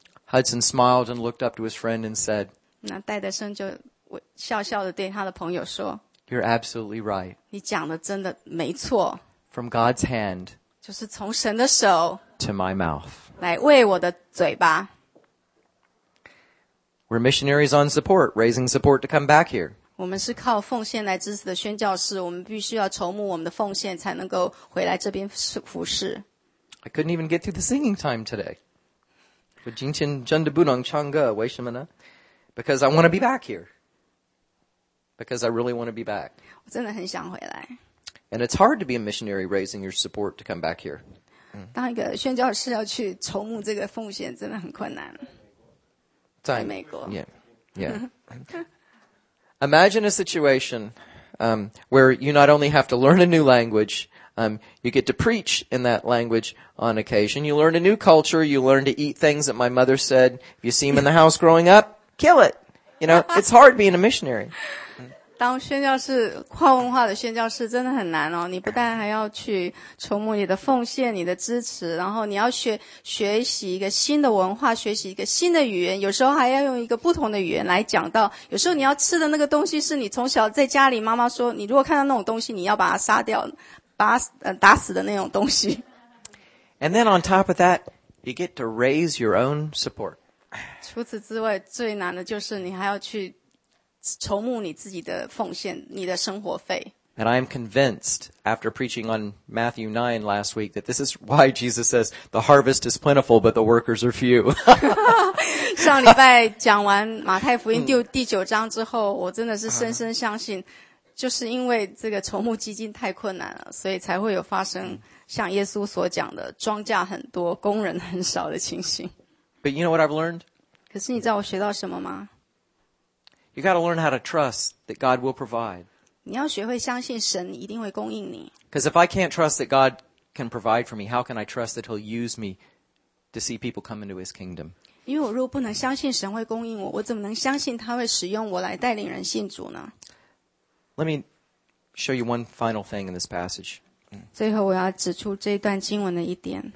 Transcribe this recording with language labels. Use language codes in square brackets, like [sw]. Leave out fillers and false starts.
[en] Hudson smiled and looked up to his friend and said, [zh] 那戴德生就笑笑地对他的朋友说, [en] You're absolutely right. [zh] 你讲的真的没错。 [en] From God's hand, [zh] 就是从神的手, [en] to my mouth, [zh] 来喂我的嘴巴。 [en] We're missionaries on support, raising support to come back here. [zh] 我们是靠奉献来支持的宣教士, 我们必须要筹募我们的奉献, 才能够回来这边服侍。 [en] I couldn't even get through the singing time today. [zh] 我今天真的不能唱歌, 为什么呢? [en] Because I want to be back here. Because I really want to be back. [zh] 我真的很想回来。 [en] And it's hard to be a missionary raising your support to come back here. [zh] 当一个宣教士要去筹募这个奉献, 真的很困难。在美国。Yeah. [en] Imagine a situation where you not only have to learn a new language, you get to preach in that language on occasion. You learn a new culture. You learn to eat things that my mother said, if you see him in the house growing up, kill it. You know, it's hard being a missionary. [zh] 当宣教士跨文化的宣教士真的很难哦。你不但还要去筹募你的奉献、你的支持，然后你要学习一个新的文化，学习一个新的语言，有时候还要用一个不同的语言来讲到。有时候你要吃的那个东西是你从小在家里妈妈说，你如果看到那种东西，你要把它杀掉，打死的那种东西。 [en] And then on top of that, you get to raise your own support. [zh] 除此之外，最难的就是你还要去筹募你自己的奉献，你的生活费。 [en] And I am convinced after preaching on Matthew 9 last week that this is why Jesus says the harvest is plentiful but the workers are few. [zh] 上礼拜讲完马太福音第九章之后，我真的是深深相信，就是因为这个筹募基金太困难了，所以才会有发生像耶稣所讲的庄稼很多，工人很少的情形。 [en] But you know what I've learned? [zh] 可是你知道我学到什么吗？ [en] You got to learn how to trust that God will provide. [zh] 你要学会相信神一定会供应你。 [en] Because if I can't trust that God can provide for me, how can I trust that He'll use me to see people come into His kingdom? [zh] 因为我如果不能相信神会供应我，我怎么能相信他会使用我来带领人信主呢？ [en] Let me show you one final thing in this passage. [zh] 最后我要指出这段经文的一点。